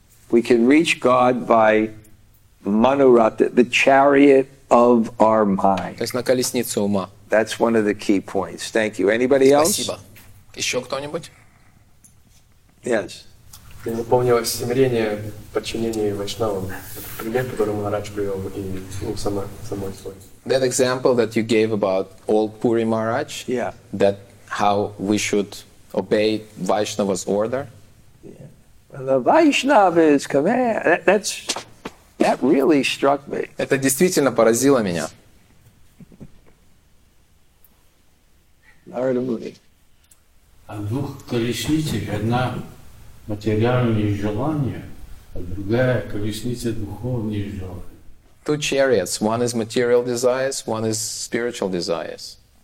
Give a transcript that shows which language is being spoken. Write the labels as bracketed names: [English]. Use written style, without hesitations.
[English] We can reach God by Manurata, the chariot of our mind. [Russian] То есть на колесницу ума. [English] That's one of the key points. Thank you. Anybody else? [Russian] Спасибо. Еще кто-нибудь? [English] Yes. [Russian] Мне запомнилось смирение, подчинение вайшнавам. Это пример, который Махарадж привел и самой свой. [English] That example that you gave about old Puri Maharaj, yeah, that how we should obey Vaishnava's order. Yeah. And the Vaishnava's command, that really struck me. [Russian] Это действительно поразило меня. Нарада Муни. А двух колесницах одна материальные желания, а другая колесница духовные желания. [English] Two chariots. One is material desires, one is spiritual desires.